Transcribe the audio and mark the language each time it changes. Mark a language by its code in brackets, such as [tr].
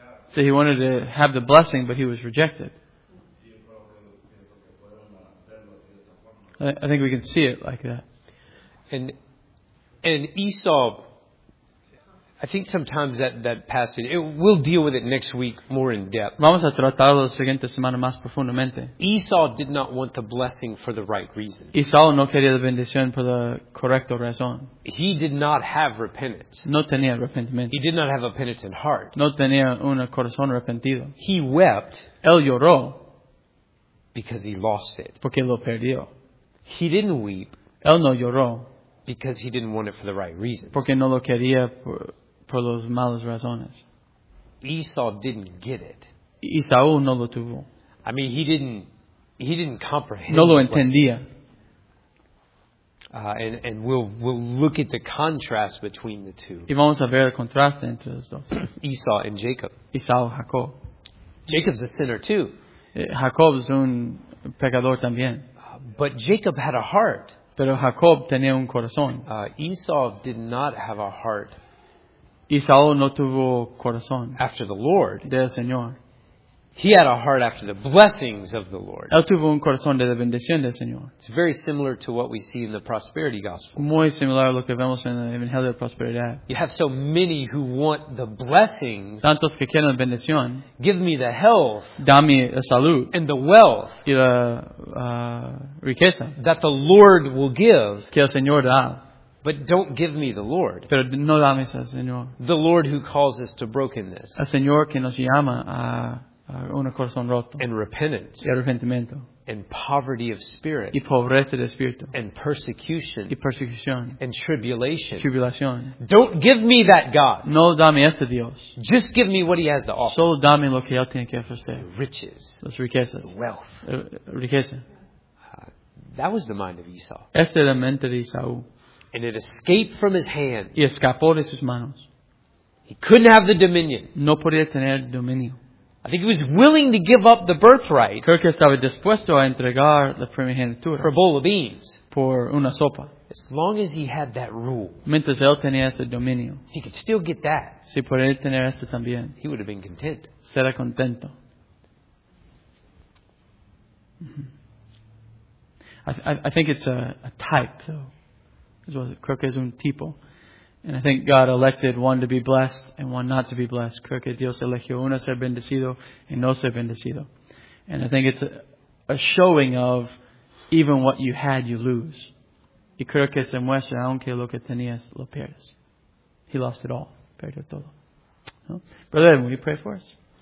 [en] So he wanted to have the blessing, but he was rejected. I think we can see it like that. And Esau, I think sometimes that passage, we'll deal with it next week more in depth. [es] Vamos a tratarlo la siguiente semana más profundamente. [en] Esau did not want the blessing for the right reason. [es] Esau no quería la bendición por la correcta razón. [en] He did not have repentance. [es] No tenía arrepentimiento. [en] He did not have a penitent heart. [es] No tenía un corazón arrepentido. [en] He wept. [es] Él lloró. [en] Because he lost it. [es] Porque lo perdió. [en] He didn't weep. [es] Él no lloró. [en] Because he didn't want it for the right reasons. [es] Porque no lo quería por los malos razones. [en] Esau didn't get it. [es] Esau no lo tuvo. [en] I mean, he didn't comprehend. [es] No lo entendía. [en] And we'll look at the contrast between the two. [es] Y vamos a ver el contraste entre los dos. [en] Esau and Jacob. [es] Esau, Jacob. [en] Jacob's a sinner too. [es] Jacob es un pecador también. [en] But Jacob had a heart. [es] Pero Jacob tenía un corazón. [en] Esau did not have a heart. [es] Esau no tuvo corazón. [en] After the Lord. [es] Del Señor. [en] He had a heart after the blessings of the Lord. [es] Él tuvo un corazón de la bendición del Señor. [en] It's very similar to what we see in the prosperity gospel. [es] Muy similar a lo que vemos en el Evangelio de Prosperidad. [en] You have so many who want the blessings. [es] Tantos que quieren la bendición. [en] Give me the health. [es] Dame la salud. [en] And the wealth. [es] Y la riqueza. [en] That the Lord will give. [es] Que el Señor da. [en] But don't give me the Lord. [es] Pero no dames al Señor. [en] The Lord who calls us to brokenness. [es] El Señor que nos llama a... un corazón roto. [en] And repentance. [es] Y arrepentimiento. [en] And poverty of spirit. [es] Y pobreza de espíritu. [en] And persecution. [es] Y persecución. [en] And tribulation. [es] Tribulación. [en] Don't give me that God. [es] No dame ese Dios. [en] Just give me what he has to offer. [es] Solo dame lo que él tiene que ofrecer. [en] Riches. [es] Las riquezas. [en] Wealth. [es] Riqueza. [en] That was the mind of Esau. [es] Esta era la mente de Esau. [en] And it escaped from his hands. [es] Y escapó de sus manos. [en] He couldn't have the dominion. [es] No podía tener dominio. [en] I think he was willing to give up the birthright. [es] Creo que estaba dispuesto a entregar la primogenitura. [en] For a bowl of beans. [es] Por una sopa. [en] As long as he had that rule. [es] Mientras él tenía ese dominio. [en] If he could still get that. [es] Si podía tener ese también. [en] He would have been content. [es] Será contento. [en] I think it's a type, though. [es] Creo que es un tipo. [en] And I think God elected one to be blessed and one not to be blessed. [es] Creo que Dios eligió uno ser bendecido y no ser bendecido. [en] And I think it's a showing of even what you had, you lose. [es] Y creo que se muestra aunque lo que tenías, lo pierdes. [en] He lost it all. [es] Perdió todo. No? [en] Brother, will you pray for us?